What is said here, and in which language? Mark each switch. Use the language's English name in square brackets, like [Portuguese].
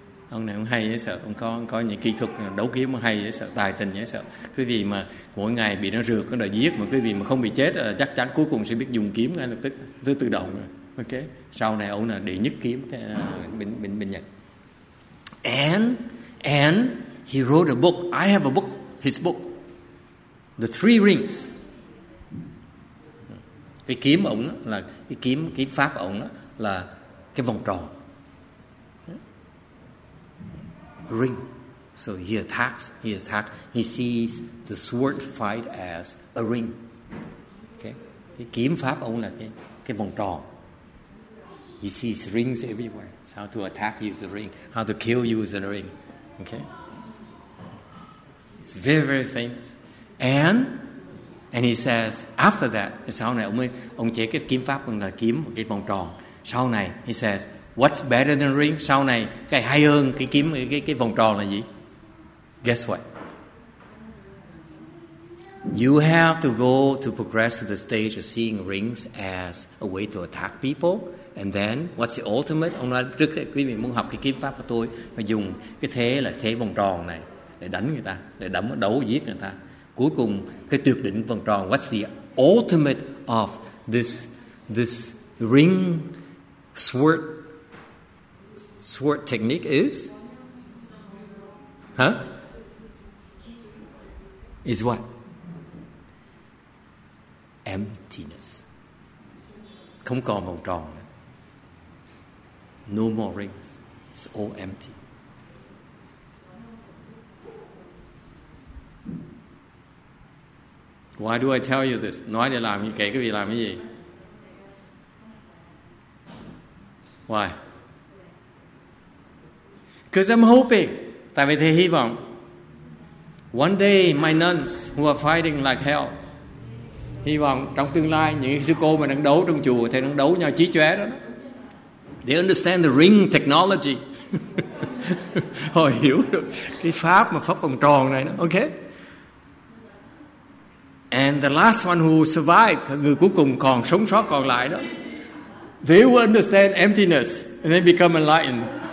[Vietnamese] Ông này ông hay dễ sợ, ông có những kỹ thuật đấu kiếm hay dễ sợ, tài tình dễ sợ. Quý vị mà mỗi ngày bị nó rượt, nó đòi giết, mà quý vị mà không bị chết là chắc chắn cuối cùng sẽ biết dùng kiếm ngay lập tức, tự động. Ok, sau này ông là đệ nhất kiếm bên Nhật. [English] And he wrote a book. I have a book, his book, The Three Rings. [Vietnamese] Cái kiếm ổng là cái kiếm, cái pháp ổng là cái vòng tròn. [English] Ring. So he attacks, he sees the sword fight as a ring. Okay. [Vietnamese] Cái kiếm pháp ổng là cái vòng tròn. [English] He sees rings everywhere. So how to attack you is a ring. How to kill you is a ring. Okay. It's very, very famous. And he says, after that, [Vietnamese] sau này ông chế cái kiếm pháp là kiếm một cái vòng tròn. Sau này, [English] he says, what's better than a ring? [Vietnamese] Sau này, cái hay hơn cái kiếm cái vòng tròn là gì? [English] Guess what? You have to go to progress to the stage of seeing rings as a way to attack people. And then, what's the ultimate? [Vietnamese] Ông nói, trước khi quý vị muốn học cái kiếm pháp của tôi, mà dùng cái thế là thế vòng tròn này để đánh người ta, để đấu giết người ta. Cuối cùng, cái tuyệt đỉnh vòng tròn, [English] what's the ultimate of this ring sword technique is? Huh? Is what? Emptiness. [Vietnamese] Không còn vòng tròn. [English] No more rings. It's all empty. Why do I tell you this? [Vietnamese] Nói để làm gì? Kể cái gì làm cái gì? [English] Why? Because I'm hoping. [Vietnamese] Tại vì thầy hy vọng. [English] One day, my nuns who are fighting like hell. [Vietnamese] Hy vọng trong tương lai, những sư cô mà đang đấu trong chùa, thầy đang đấu nhau chí chóe đó. [English] They understand the ring technology. [Vietnamese] Họ hiểu được cái pháp mà pháp vòng tròn này. Đó. Okay. [English] And the last one who survived, [Vietnamese] người cuối cùng còn sống sót còn lại đó, [English] they will understand emptiness and they become enlightened.